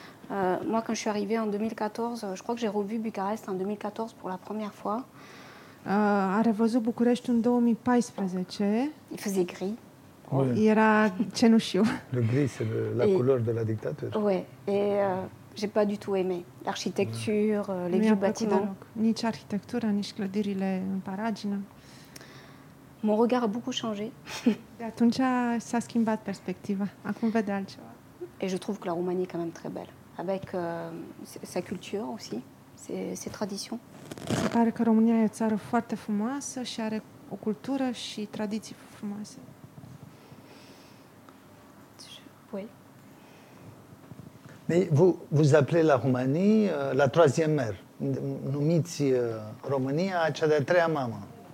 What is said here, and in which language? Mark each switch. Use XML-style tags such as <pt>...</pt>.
<fr>moi, quand je suis arrivée en 2014, je crois que j'ai revu Bucarest en 2014 pour la première fois.</fr> <ro>A revăzut București în 2014.</ro> <fr>Il faisait gris.</fr> <ro>Oui. Era cenușiu.</ro> <fr>Le gris, c'est la couleur de la dictature. Oui, et j'ai pas du tout aimé l'architecture, les vieux bâtiments.</fr> <ro>Nici arhitectura, nici clădirile în paragină.</ro> <fr>Mon regard a beaucoup changé.</fr> <ro>De atunci s-a schimbat perspectiva. Acum vede altceva.</ro> <fr>Et je trouve que la Roumanie est quand même très belle. Avec sa culture aussi, ses traditions. Ça paraît que la Roumanie est une ville très</fr> <ro>frumoasă</ro> <fr>et a une culture et des traditions frumoasă. Oui. Mais vous appelez la Roumanie la troisième mère.</fr> <ro>Numiți România cea de-a treia mamă.</ro>